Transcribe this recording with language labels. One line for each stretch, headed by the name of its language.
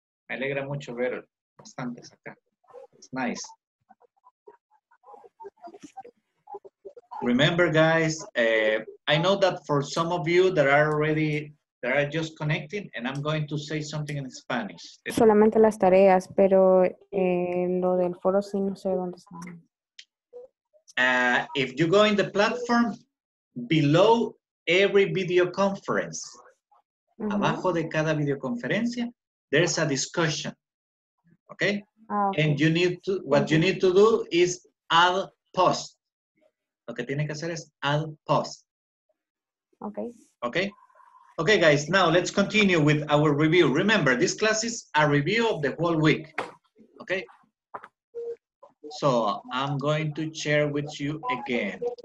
Spanish: Me alegra mucho ver bastantes acá.
English: It's nice. Remember, guys, I know that for some of you that are already, that are just connecting, and I'm going to say something in Spanish.
Spanish: Solamente las tareas, pero lo del foro sí no sé dónde está.
English: If you go in the platform, below every video conference,
Spanish: abajo de cada videoconferencia,
English: there's a discussion, okay? And you need to, what you need to do is add post.
Spanish: Lo que tiene que hacer es add post.
English: Okay. Okay? Okay, guys, now let's continue with our review. Remember, this class is a review of the whole week, okay? So I'm going to share with you again.